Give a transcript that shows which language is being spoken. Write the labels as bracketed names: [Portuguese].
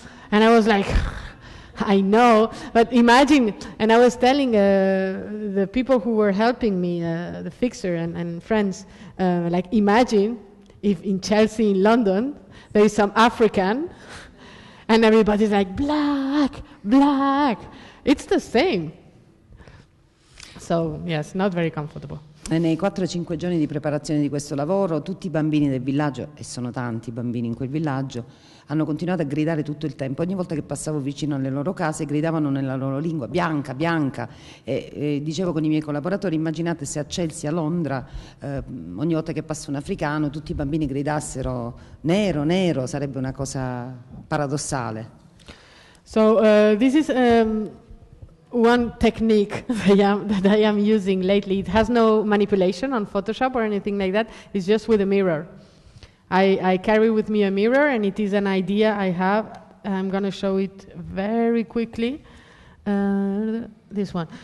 [English] And I was like, I know, but imagine, and I was telling the people who were helping me, the fixer and friends, like, imagine if in Chelsea, in London, there is some African, and everybody's like, black, black. It's the same. So, yes, not very comfortable. [Italian] E nei 4-5 giorni di preparazione di questo lavoro, tutti i bambini del villaggio, e sono tanti i bambini in quel villaggio, hanno continuato a gridare tutto il tempo. Ogni volta che passavo vicino alle loro case, gridavano nella loro lingua, bianca, bianca. E dicevo con i miei collaboratori, immaginate se a Chelsea, a Londra, ogni volta che passa un africano, tutti i bambini gridassero nero, nero, sarebbe una cosa paradossale. [English] So, this is one technique that I am using lately. It has no manipulation on Photoshop or anything like that. It's just with a mirror. I carry with me a mirror, and it is an idea I have. I'm going to show it very quickly. This one.